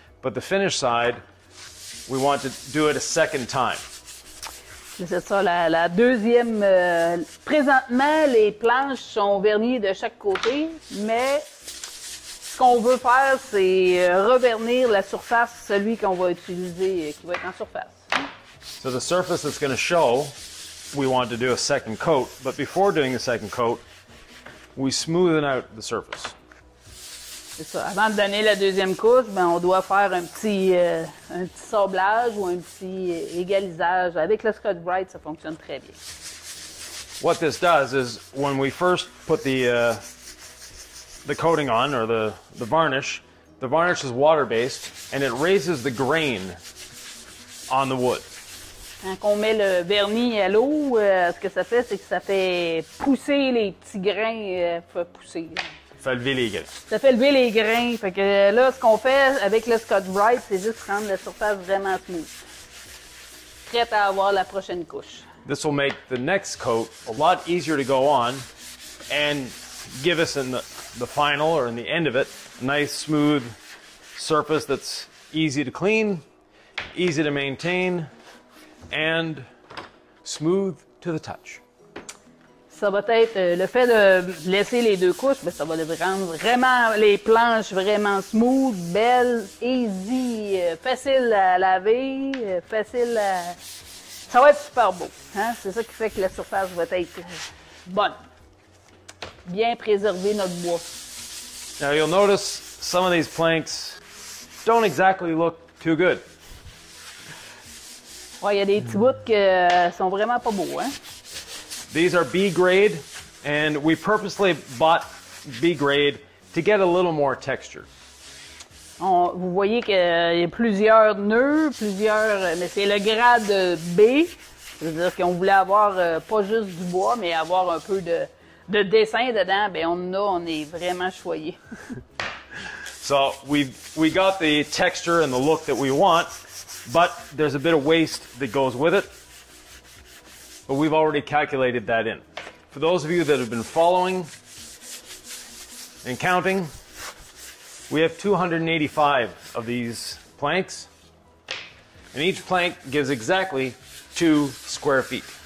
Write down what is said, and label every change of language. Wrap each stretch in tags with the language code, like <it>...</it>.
<en>But the finish side, we want to do it a second time.</en> <fr>C'est ça, la deuxième. Présentement, les planches sont vernies de chaque côté, mais ce qu'on veut faire, c'est revernir la surface, celui qu'on va utiliser, qui va être en surface.</fr> <en>So the surface that's going to show, we want to do a second coat. But before doing the second coat, we smoothen out the surface.</en> <fr>C'est ça. Avant de donner la deuxième couche, ben on doit faire un petit sablage ou un petit égalisage. Avec le Scotch Brite, ça fonctionne très bien.</fr> <en>What this does is when we first put the coating on or the varnish is water-based and it raises the grain on the wood.</en> <fr>Quand on met le vernis à l'eau, ce que ça fait, c'est que ça fait pousser les petits grains, faut pousser. Ça fait lever les grains. Fait que là, ce qu'on fait avec le Scotch Brite, c'est juste rendre la surface vraiment smooth. Prête à avoir la prochaine couche.</fr> <en>This will make the next coat a lot easier to go on and give us in the final or in the end of it a nice smooth surface that's easy to clean, easy to maintain, and smooth to the touch.</en> <fr>Ça va être le fait de laisser les deux couches, mais ça va les rendre vraiment les planches vraiment smooth, belles, easy, facile à laver, facile à. Ça va être super beau. Hein? C'est ça qui fait que la surface va être bonne. Bien préserver notre bois.</fr> <en>Now you'll notice some of these planks don't exactly look too good.</en> <fr>Ouais, il y a des petits bouts qui sont vraiment pas beaux, hein?</fr> <en>These are B grade, and we purposely bought B grade to get a little more texture.</en> <fr>On, vous voyez qu'il y a plusieurs nœuds, plusieurs, mais c'est le grade B. C'est-à-dire qu'on voulait avoir pas juste du bois, mais avoir un peu de dessin dedans. Ben on en a, on est vraiment choyé.</fr> <en>So we got the texture and the look that we want, but there's a bit of waste that goes with it. But we've already calculated that in. For those of you that have been following and counting, we have 285 of these planks, and each plank gives exactly 2 square feet.</en>